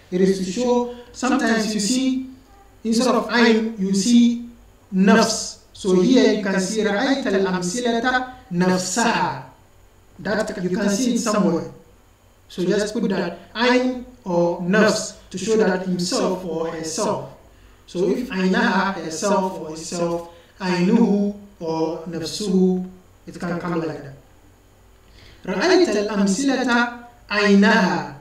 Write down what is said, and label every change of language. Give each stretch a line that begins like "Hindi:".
English: It is to show sometimes you see instead of عين you see نفس. So here you can see
Arabic: رأيت الأمثلة نفسها.
English: That you can see it somewhere. So just put that عين or نفس to show that himself or herself. So if عينها herself or itself, عينه or نفسه, it can come like that.
Arabic: رأيت الأمثلة عينها.